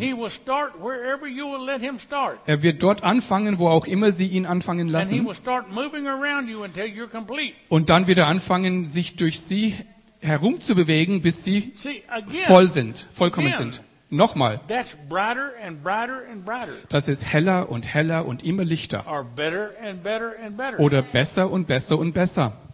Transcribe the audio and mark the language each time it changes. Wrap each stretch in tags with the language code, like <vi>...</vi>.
<en>He will start wherever you will let him start.</en> <de>Er wird dort anfangen, wo auch immer Sie ihn anfangen lassen.</de> <en>And he will start moving around you until you're complete.</en> <de>Und dann wird er anfangen, sich durch Sie herumzubewegen, bis Sie vollkommen sind. Nochmal.</de> <en>That's brighter and brighter and brighter.</en> <de>Das ist heller und heller und immer lichter.</de> <en>Or better and better and better.</en> <de>Oder besser und besser und besser.</de>